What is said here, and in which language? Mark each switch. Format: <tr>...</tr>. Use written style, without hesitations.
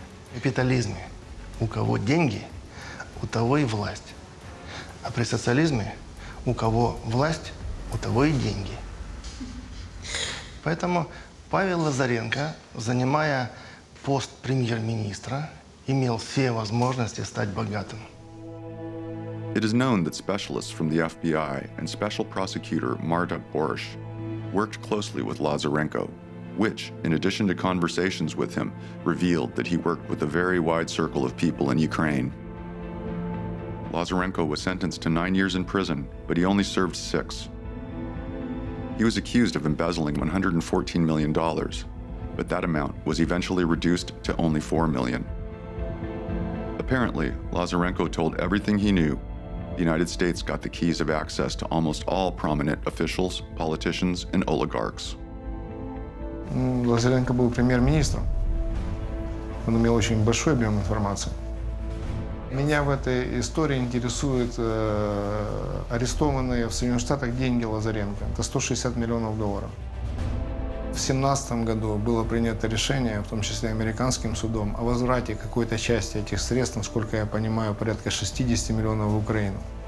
<ru>В капитализме у кого деньги, у того и власть. А при социализме у кого власть, у того и деньги. Поэтому Павел Лазаренко, занимая пост премьер-министра, имел все возможности стать богатым.</ru> <en>It is known that specialists from the FBI and special prosecutor Marta Borsch worked closely with Lazarenko, which, in addition to conversations with him, revealed that he worked with a very wide circle of people in Ukraine. Лазаренко was sentenced to 9 years in prison, but he only served 6. He was accused of embezzling $114 million, but that amount was eventually reduced to only $4 million. Apparently, Лазаренко told everything he knew, the United States got the keys of access to almost all prominent officials, politicians, and oligarchs.</en> <ru>Лазаренко был премьер-министром. Он имел очень большой объем информации. Меня в этой истории интересуют арестованные в Соединенных Штатах деньги Лазаренко. Это 160 миллионов долларов. В 2017 году было принято решение, в том числе американским судом, о возврате какой-то части этих средств, насколько я понимаю, порядка 60 миллионов в Украину.</ru>